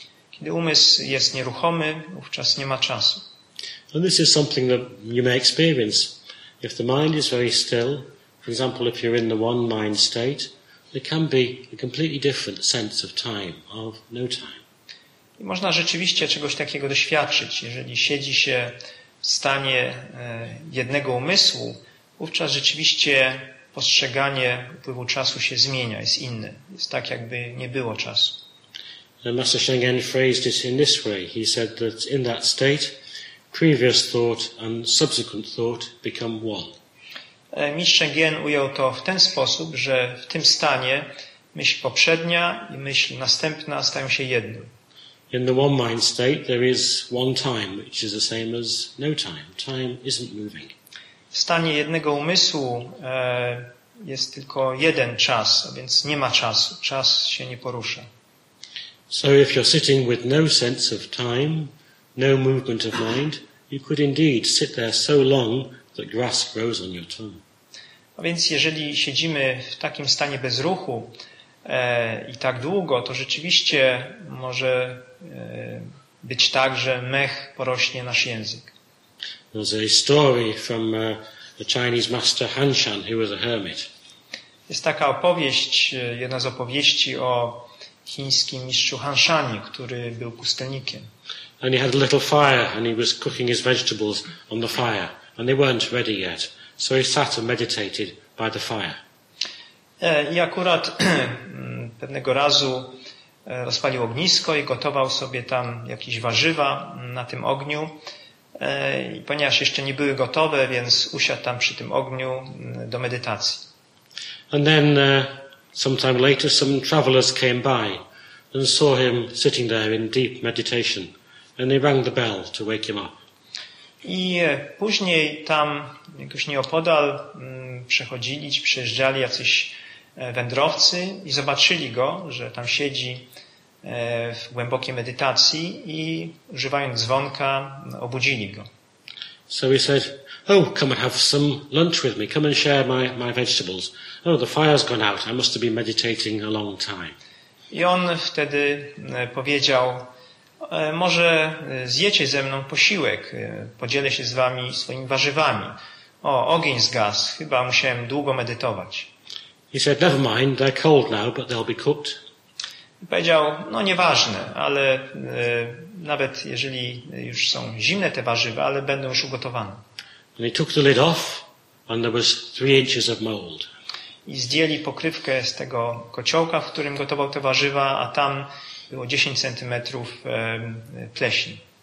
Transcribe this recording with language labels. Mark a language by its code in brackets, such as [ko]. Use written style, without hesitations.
[pl] Kiedy umysł jest nieruchomy, wówczas nie ma czasu. [en] And this is something that you may experience. If the mind is very still, for example, if you're in the one mind state, there can be a completely different sense of time, of no time. [pl] I można rzeczywiście czegoś takiego doświadczyć. Jeżeli siedzi się w stanie jednego umysłu, wówczas rzeczywiście postrzeganie upływu czasu się zmienia, jest inne. Jest tak, jakby nie było czasu. [en] Master Shengen phrased it in this way. He said that in that state, previous thought and subsequent thought become one. [pl] Mistrz Shengen ujął to w ten sposób, że w tym stanie myśl poprzednia i myśl następna stają się jedną. [en] In the one mind state there is one time, which is the same as no time. Time isn't moving. [pl] W stanie jednego umysłu jest tylko jeden czas, a więc nie ma czasu. Czas się nie porusza. [en] So if you're sitting with no sense of time, no movement of mind, you could indeed sit there so long that grass grows on your tongue. [pl] A więc jeżeli siedzimy w takim stanie bez ruchu i tak długo, to rzeczywiście może być tak, że mech porośnie nasz język. [en] There's a story from the Chinese master Hanshan, who was a hermit. [pl] Jest taka opowieść, jedna z opowieści o chińskim mistrzu Hanshanie, który był pustelnikiem. [en] And he had a little fire and he was cooking his vegetables on the fire and they weren't ready yet. So he sat and meditated by the fire. [pl] I akurat pewnego razu rozpalił ognisko i gotował sobie tam jakieś warzywa na tym ogniu. I ponieważ jeszcze nie były gotowe, więc usiadł tam przy tym ogniu do medytacji. [en] And then sometime later some travelers came by and saw him sitting there in deep meditation and they rang the bell to wake him up. [pl] I później tam jakoś nieopodal przechodzili, przejeżdżali jacyś wędrowcy i zobaczyli go, że tam siedzi w głębokiej medytacji i używając dzwonka obudzili go. [en] So he said, oh, come and have some lunch with me, come and share my vegetables. Oh, the fire's gone out, I must have been meditating a long time. [pl] I on wtedy powiedział, może zjecie ze mną posiłek, podzielę się z wami swoimi warzywami. O, ogień zgasł, chyba musiałem długo medytować. [en] He said, never mind, they're cold now, but they'll be cooked. [pl] Powiedział, no nieważne, ale nawet jeżeli już są zimne te warzywa, ale będą już ugotowane. [en] And he took the lid off and there was 3 inches of mold. [pl] I zdjęli pokrywkę z tego kociołka, w którym gotował te warzywa, a tam było 10 centymetrów pleśni.